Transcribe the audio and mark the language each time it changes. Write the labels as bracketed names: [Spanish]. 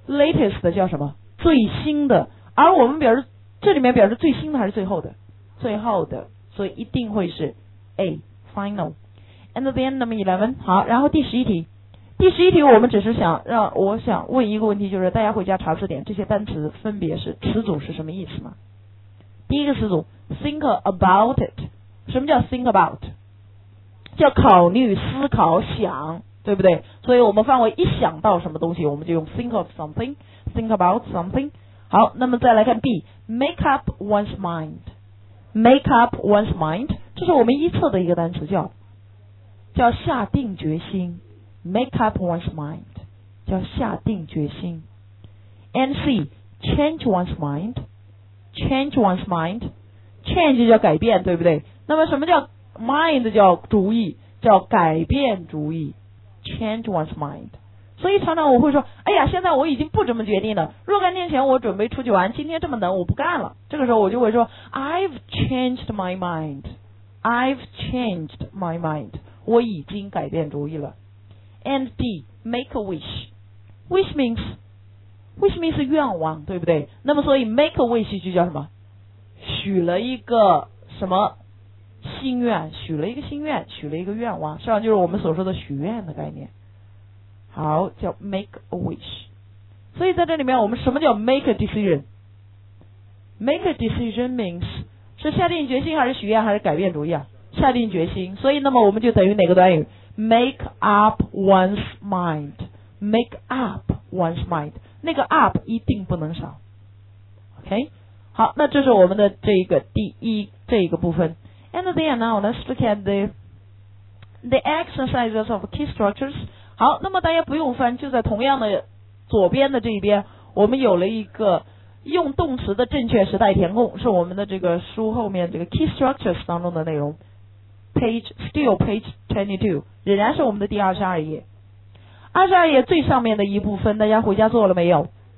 [Chinese] latest 的叫什么？最新的。而我们表示这里面表示最新的还是最后的？最后的。所以一定会是 A， final。 [English] and then number 11。 [Chinese] 好，然后第十一题，第十一题我们只是想让我想问一个问题，就是大家回家查字典，这些单词分别是词组是什么意思吗？第一个词组 [English] think about it， [Chinese] 什么叫 think about？叫考虑、思考、想，对不对？所以我们范围一想到什么东西，我们就用 [English] think of something， think about something。 [Chinese] 好，那么再来看 B， [English] make up one's mind， make up one's mind， [Chinese] 这是我们一测的一个单词，叫叫下定决心 ， [English] make up one's mind， [Chinese] 叫下定决心。 [English] And C， change one's mind， change one's mind， change [Chinese] 叫改变，对不对？那么什么叫 mind？叫主意，叫改变主意 ， [English] change one's mind。 [Chinese] 所以常常我会说，哎呀，现在我已经不这么决定了。若干天前我准备出去玩，今天这么冷，我不干了。这个时候我就会说 ， [English] I've changed my mind， I've changed my mind， [Chinese] 我已经改变主意了。 [English] And D， make a wish， wish means [Chinese] 愿望，对不对？那么所以 [English] make a wish [Chinese] 就叫什么？许了一个什么心愿？许了一个心愿，许了一个愿望，实际上就是我们所说的许愿的概念。好，叫 [English] make a wish。 [Chinese] 所以在这里面我们什么叫 [English] make a decision？ make a decision means [Chinese] 是下定决心还是许愿还是改变主意啊？下定决心。所以那么我们就等于哪个短语？ [English] make up one's mind， make up one's mind， [Chinese] 那个 up 一定不能少。 OK， 好，那这是我们的这个第一这个部分。 [English] And then now let's look at the exercises of key structures。 [Chinese] 好，那么大家不用翻，就在同样的左边的这一边，我们有了一个用动词的正确时态填空，是我们的这个书后面这个 key structures 当中的内容， page 22， 仍然是我们的第22页最上面的一部分，大家回家做了没有？